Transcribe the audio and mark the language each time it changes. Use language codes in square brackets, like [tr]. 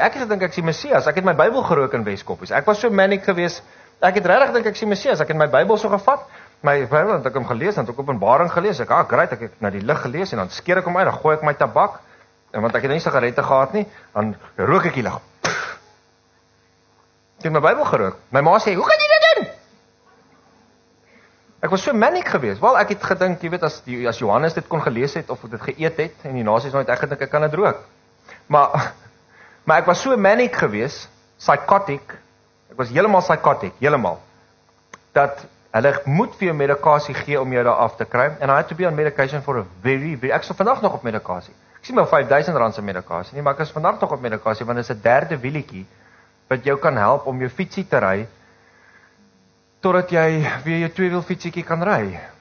[af] Ek het gedink ek is die Messias. Ek het my Bybel gerook in Weskoppies. Ek was so manic geweest. Ek het regtig dink ek is die Messias. Ek het my Bybel so gevat. My Bybel het ek hom gelees, het ook Openbaring gelees. Ek, great, ek het na die lig gelees en dan skeer ek hom uit, dan gooi ek my tabak, want ek het nie sigarette gehad nie, dan rook ek die lig. Ek het my Bybel gerook. My ma sê, "Hoe kan jy dit doen?" Ek was so manic geweest. Wel, ek het gedink, jy weet, as Johannes dit kon gelees het of dit geëet het en die nasies nooit, ek gedink ek kan dit rook. Maar ek was so manic geweest, psychotic. Ek was heeltemal psychotic, heeltemal. Dat Hulle moet vir jou medikasie gee om jou daar af te kry. [en] And I had to be on medication for a very, very... [af] Ek is vandag nog op medikasie. Ek sien my 5000 rand se medikasie nie, maar ek is vandag nog op medikasie, want dit is 'n derde wielietjie wat jou kan help om jou fietsie te ry, totdat jy weer jou tweewiel fietsiekie kan ry.